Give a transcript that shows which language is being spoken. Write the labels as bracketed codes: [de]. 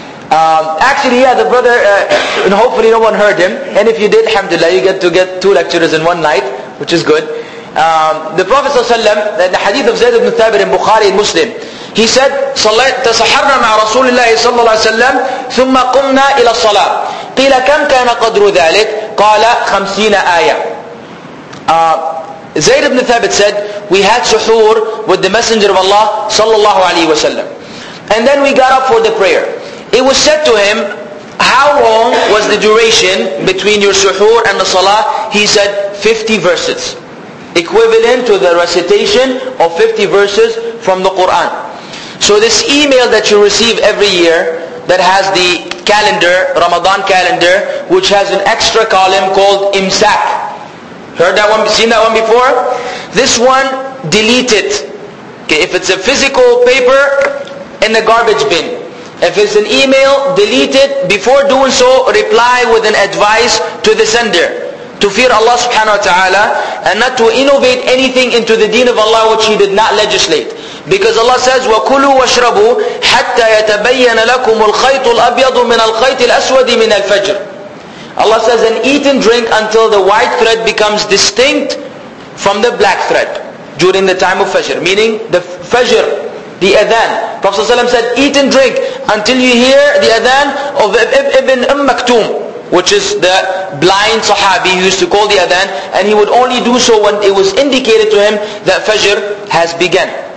[en] Actually, yeah, the brother, and hopefully no one heard him. And if you did, alhamdulillah, you get to get two lectures in one night, which is good. The Prophet ﷺ, in the hadith of Zayd ibn Thabit in Bukhari and Muslim, he said, [ar] تسحرنا مع رسول الله صلى الله عليه وسلم ثم قمنا إلى الصلاة قيل كم كان قدر ذلك قال 50 آية. [en] Zayd ibn Thabit said, we had suhoor with the Messenger of Allah صلى الله عليه وسلم. And then we got up for the prayer. It was said to him, how long was the duration between your suhoor and the salah? He said, 50 verses. Equivalent to the recitation of 50 verses from the Quran. So this email that you receive every year that has the calendar, Ramadan calendar, which has an extra column called Imsak. Heard that one? Seen that one before? This one, delete it. Okay, if it's a physical paper, in the garbage bin. If it's an email, delete it. Before doing so, reply with an advice to the sender. To fear Allah subhanahu wa ta'ala, and not to innovate anything into the deen of Allah which He did not legislate. Because Allah says, [ar] وَكُلُوا وَاشْرَبُوا حَتَّى يَتَبَيَّنَ لَكُمُ الْخَيْطُ الْأَبْيَضُ مِنَ الْخَيْطِ الْأَسْوَدِ مِنَ الْفَجْرِ. [en] Allah says, and eat and drink until the white thread becomes distinct from the black thread during the time of Fajr. Meaning the Fajr, the Adhan. Prophet ﷺ said, eat and drink until you hear the Adhan of Ibn Maktum, which is the blind Sahabi who used to call the Adhan, and he would only do so when it was indicated to him that Fajr has begun.